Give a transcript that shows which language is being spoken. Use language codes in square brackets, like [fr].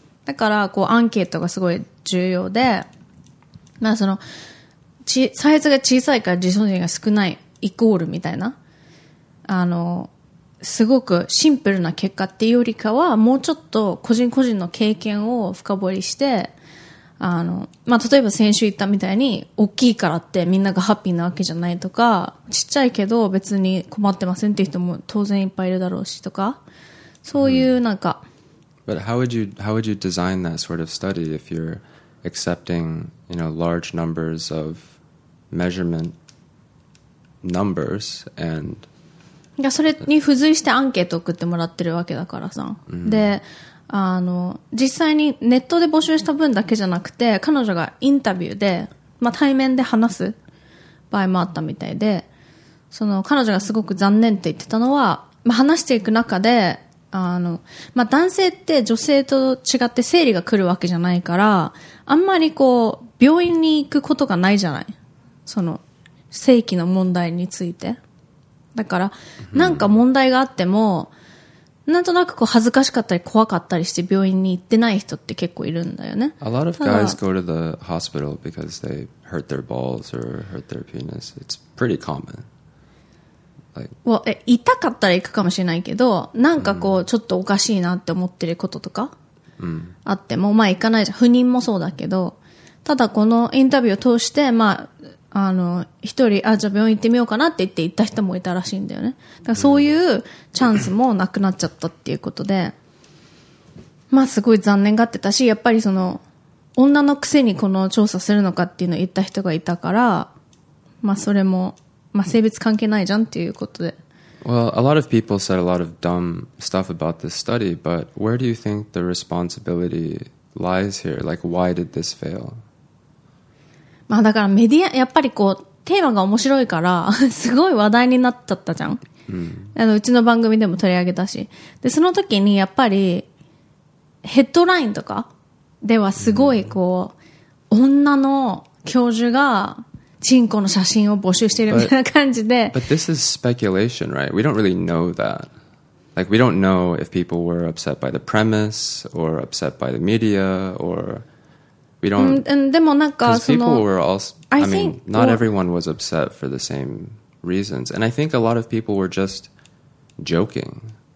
[ja] だからこうアンケートがすごい重要で、まあそのサイズが小さいから自尊心が少ないイコールみたいな、あのすごくシンプルな結果っていうよりかはもうちょっと個人個人の経験を深掘りして、あの、まあ、例えば先週言ったみたいに大きいからってみんながハッピーなわけじゃないとか、ちっちゃいけど別に困ってませんっていう人も当然いっぱいいるだろうしとか、そういうなんか、 [en] But how would you design that sort of study if you're accepting, you know, large numbers of measurement numbers and [ja] それに付随してアンケート送ってもらってるわけだからさ、で、あの実際にネットで募集した分だけじゃなくて、彼女がインタビューで、まあ、対面で話す場合もあったみたいで、その彼女がすごく残念って言ってたのは、まあ、話していく中で、あの、まあ、男性って女性と違って生理が来るわけじゃないから、あんまりこう病院に行くことがないじゃない、その性器の問題について。だからなんか問題があっても、なんとなくこう恥ずかしかったり怖かったりして病院に行ってない人って結構いるんだよね。 [en] A lot of guys go to the hospital because they hurt their balls or hurt their penis. It's pretty common. [ja] Well, 痛かったら行くかもしれないけど、なんかこうちょっとおかしいなって思ってることとかあっても、まあ行かないじゃん。不妊もそうだけど、ただこのインタビューを通して、まあ、あの一人あじゃあ病院行ってみようかなって言って行った人もいたらしいんだよね。だからそういうチャンスもなくなっちゃったっていうことで、まあすごい残念がってたし、やっぱりその女のくせにこの調査するのかっていうのを言った人がいたから、まあそれも、まあ、性別関係ないじゃんっていうことで。 [en] Well, a lot of people said a lot of dumb stuff about this study, but where do you think the responsibility lies here? Like, why did this fail? [ja] まあ、だからメディア、やっぱりこうテーマが面白いからすごい話題になっちゃったじゃん、うん、あのうちの番組でも取り上げたし、でその時にやっぱりヘッドラインとかではすごいこう、うん、女の教授がチンコの写真を募集してるみたいな感じで、 [en] but this is speculation, right? We don't really know that. Like, we don't know if people were upset by the premise or upset by the media orWe don't, [ja] でもなんかその [en] people were also, I mean, not everyone was upset for the same reasons. And I think a lot of people were just joking.